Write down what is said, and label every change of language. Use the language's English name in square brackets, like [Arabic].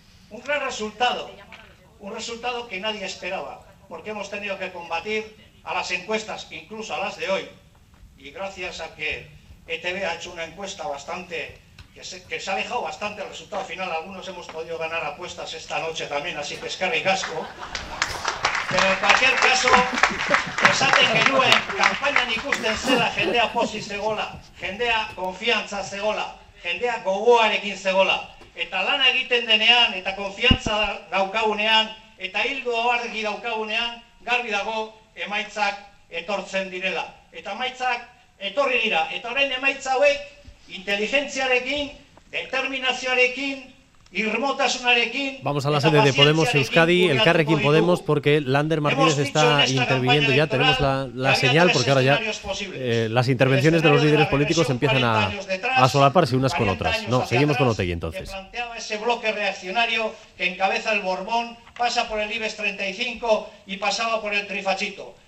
[Spanish] Un gran resultado, un resultado que nadie esperaba, porque hemos tenido que combatir a las encuestas, incluso a las de hoy, y gracias a que ETV ha hecho una encuesta bastante, que se ha alejado bastante el resultado final, algunos hemos podido ganar apuestas esta noche también, así que [Basque] eskerrik asko. [Spanish] Pero en cualquier caso, [Basque] esaten genuen, kampainan ikusten zela, jendea posi zegola, jendea konfiantza zegola, jendea gogoarekin zegola, eta lana egiten denean, eta konfiantza daukagunean, eta hildu abarregi daukagunean, garbi dago emaitzak etortzen direla. Eta emaitzak etorri dira. Eta horren emaitza hauek, inteligentziarekin, determinazioarekin, irmotasunarekin... [Spanish] Vamos a la sede de Podemos Euskadi, el Carrekin Podemos, porque Lander Martínez está interviniendo ya, tenemos la señal, porque ahora ya las intervenciones de los líderes políticos empiezan a solaparse unas con otras. No, seguimos con Otegi entonces. Planteaba ese bloque reaccionario que encabeza el Borbón, pasa por el IBEX 35 y pasaba por el Trifachito.